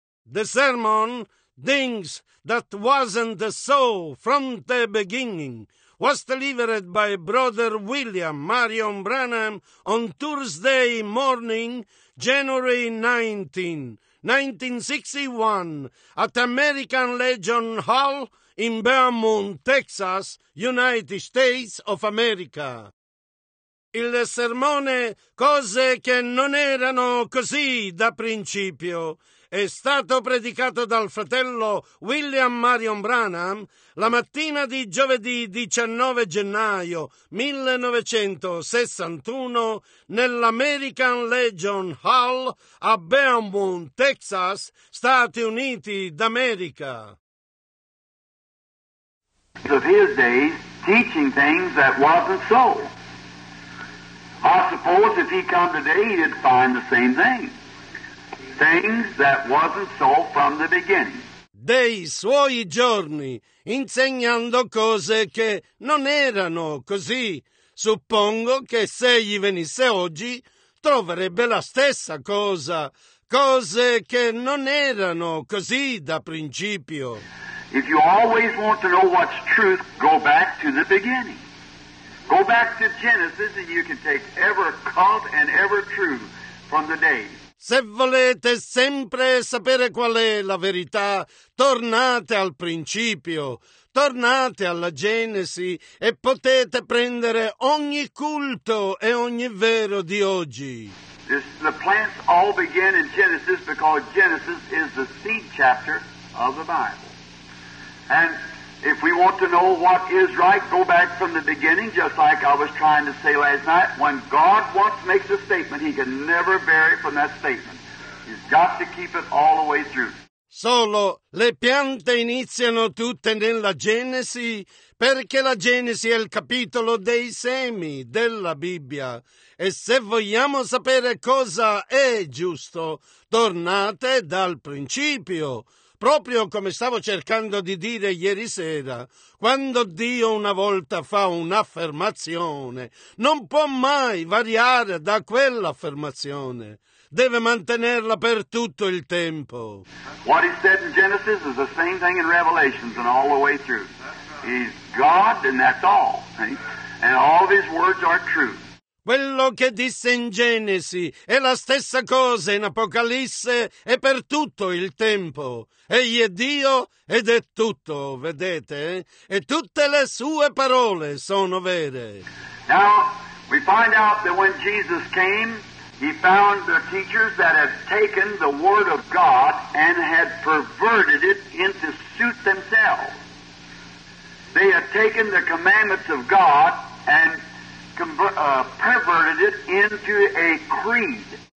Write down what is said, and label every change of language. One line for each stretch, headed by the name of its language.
English: the sermon, things that wasn't so from the beginning, was delivered by Brother William Marion Branham on Thursday morning, January 19, 1961, at American Legion Hall in Beaumont, Texas, United States of America.
Italian: Il sermone, cose che non erano così da principio, è stato predicato dal fratello William Marion Branham la mattina di giovedì 19 gennaio 1961 nell'American Legion Hall a Beaumont, Texas, Stati Uniti d'America.
English: Of his days teaching things that wasn't so. I suppose if he come today, he'd find the same thing. Things that wasn't so from the beginning.
Italian: Dei suoi giorni, insegnando cose che non erano così, suppongo che se gli venisse oggi, troverebbe la stessa cosa, cose che non erano così da principio.
English: If you always want to know what's truth, go back to the beginning. Go back to Genesis and you can take ever cult and ever true from the day.
Italian: Se volete sempre sapere qual è la verità, tornate al principio, tornate alla Genesi e potete prendere ogni culto e ogni vero di oggi.
English: The plants all begin in Genesis because Genesis is the seed chapter of the Bible. And if we want to know what is right, go back from the beginning, just like I was trying to say last night. When God once makes a statement, he can never vary from that statement. He's got to keep it all the way through.
Italian: Solo le piante iniziano tutte nella Genesi, perché la Genesi è il capitolo dei semi della Bibbia. E se vogliamo sapere cosa è giusto, tornate dal principio. Proprio come stavo cercando di dire ieri sera, quando Dio una volta fa un'affermazione, non può mai variare da quell'affermazione. Deve mantenerla per tutto il tempo.
English: What he said in Genesis is the same thing in Revelations and all the way through. He's God and that's all. And all of his words are true.
Italian: Quello che disse in Genesi è la stessa cosa in Apocalisse e per tutto il tempo. Egli è Dio ed è tutto, vedete? E tutte le sue parole sono vere.
English: Now, we find out that when Jesus came, he found the teachers that had taken the word of God and had perverted it into suit themselves. They had taken the commandments of God and perverted it into a creed.